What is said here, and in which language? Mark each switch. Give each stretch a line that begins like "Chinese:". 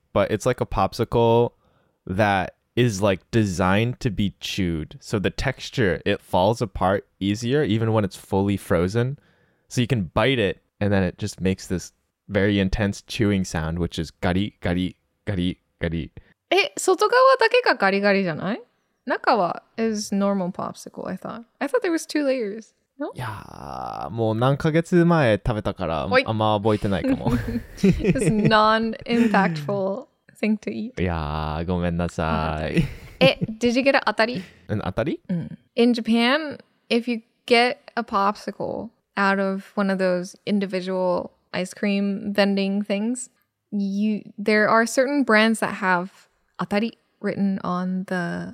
English: But it's like a popsicle that is like designed to be chewed. So the texture, it falls apart easier even when it's fully frozen. So you can bite it and then it just makes this very intense chewing sound, which is gari, gari, gari, gari.
Japanese: え、外側だけがガリガリじゃない? 中は
English: is normal popsicle, I thought. I thought there was two layers. No?
Japanese: いやもう何ヶ月前食べたからあんま覚えてないかも。
English: It's non-impactful thing to eat.
Japanese: いやごめんなさい。
English: え、did you get a 当たり? An 当たり? In Japan, if you get a popsicle out of one of those individual ice cream vending things, there are certain brands that have 当たり written on the...